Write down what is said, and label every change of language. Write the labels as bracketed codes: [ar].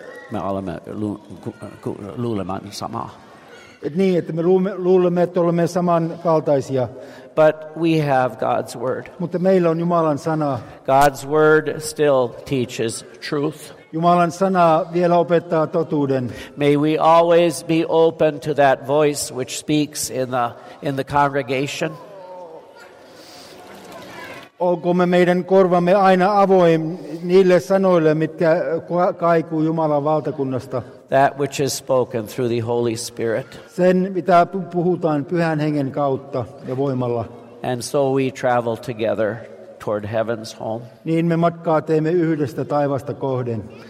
[fi] me olemme luulemaan samaa. Niin, että me luulemme, että olemme samankaltaisia. [en] But we have God's word. [fi] Mutta meillä on Jumalan sana. [en] God's word still teaches truth. [fi] Jumalan sana vielä opettaa totuuden. [en] May we always be open to that voice which speaks in the congregation. [fi] olkoomme meidän korvamme aina avoin niille sanoille, mitkä kaikuu Jumalan valtakunnasta. [en] That which is spoken through the Holy Spirit. [fi] Sen, mitä puhutaan Pyhän Hengen kautta ja voimalla. [en] And so we travel together toward heaven's home. [fi] Niin me matkaa teemme yhdestä taivasta kohden.